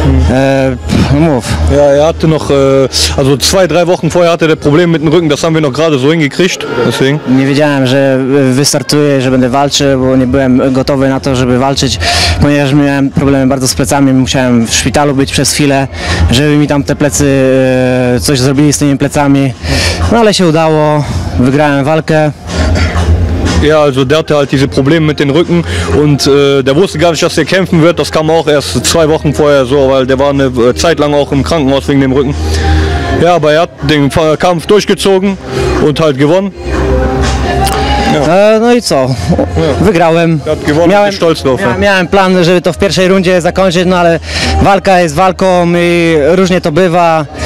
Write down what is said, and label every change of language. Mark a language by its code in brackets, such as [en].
[de] Er hatte noch, 2-3 Wochen vorher hatte er Probleme mit dem Rücken, das haben wir noch gerade so hingekriegt, deswegen. [pl] Nie wiedziałem, że wystartuję, że będę walczył, bo nie byłem gotowy na to, żeby walczyć, ponieważ miałem problemy bardzo z plecami, musiałem w szpitalu być przez chwilę, żeby mi tam te plecy coś zrobili z tymi plecami, no ale się udało, wygrałem walkę. [de] Ja, also der hatte halt diese Probleme mit dem Rücken und der wusste gar nicht, dass er kämpfen wird. Das kam auch erst 2 Wochen vorher so, weil der war eine Zeit lang auch im Krankenhaus wegen dem Rücken. Ja, aber er hat den Kampf durchgezogen und halt gewonnen. [pl] Ja. No i co? Ja. Wygrałem. Miałem, [de] stolz drauf, ja. [pl] Miałem plan, żeby to w pierwszej rundzie zakończyć, no ale walka jest walką i różnie to bywa.